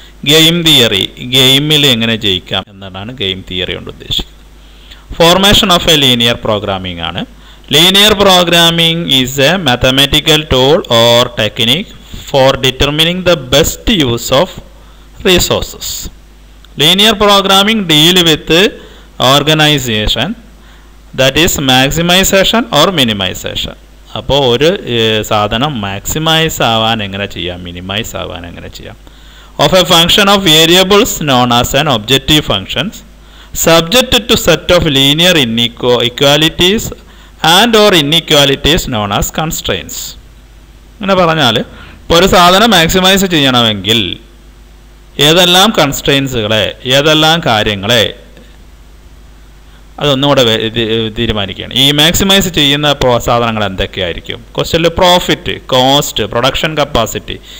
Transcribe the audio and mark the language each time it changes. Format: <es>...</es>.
<ml>Game theory, ഗെയിമിൽ എങ്ങനെ ജയിക്കാം എന്നതാണ് ഗെയിം തിയറി കൊണ്ട് ഉദ്ദേശിക്കുന്നത്.</ml> <en>Formation of a linear programming ആണ്. Linear programming is a mathematical tool or technique for determining the best use of resources. Linear programming deal with organization, that is maximization or minimization.</en> <ml>അപ്പോൾ ഒരു സാധനം maximise ആവാൻ എങ്ങനെ ചെയ്യാം, minimise ആവാൻ എങ്ങനെ ചെയ്യാം.</ml> <en>Of a function of variables known as an objective functions, subject to set of linear inequalities and or inequalities known as constraints.</en> <ml>എന്ന് പറഞ്ഞാൽ ഇപ്പോൾ ഒരു സാധനം മാക്സിമൈസ് ചെയ്യണമെങ്കിൽ ഏതെല്ലാം കൺസ്ട്രെയിൻസുകളെ, ഏതെല്ലാം കാര്യങ്ങളെ, അതൊന്നും കൂടെ തീരുമാനിക്കുകയാണ്. ഈ മാക്സിമൈസ് ചെയ്യുന്ന സാധനങ്ങൾ എന്തൊക്കെയായിരിക്കും? ക്വസ്റ്റ്യനിൽ പ്രോഫിറ്റ്, കോസ്റ്റ്, പ്രൊഡക്ഷൻ കപ്പാസിറ്റി.</ml>